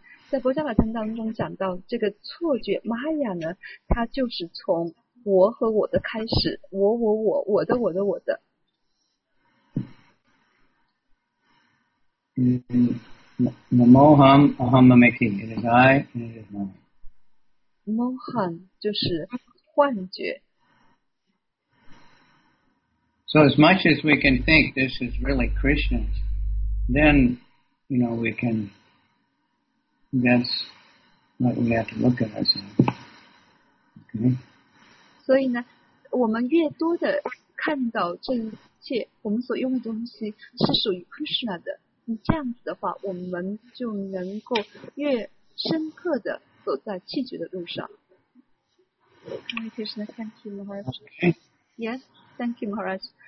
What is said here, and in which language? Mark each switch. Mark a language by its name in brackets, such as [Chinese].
[Chinese] 在佛家法坛当中讲到这个错觉 Maya 呢，它就是从我和我的开始，我我我，我的我的我的。 [Sanskrit] Namoham ahamamiki, [English] it is I and it is mine. [Chinese] Moham 就是幻觉。 [English] So as much as we can think this is really Krishna's, then, you know, we can, that's what we have to look at ourselves. Okay? [Chinese] 所以呢，我们越多的看到这一切，我们所用的东西是属于 Krishna 的，这样子的话，我们就能够越深刻的走在气绝的路上。 [English] Hi Krishna, thank you Maharaj. Yes, thank you Maharaj.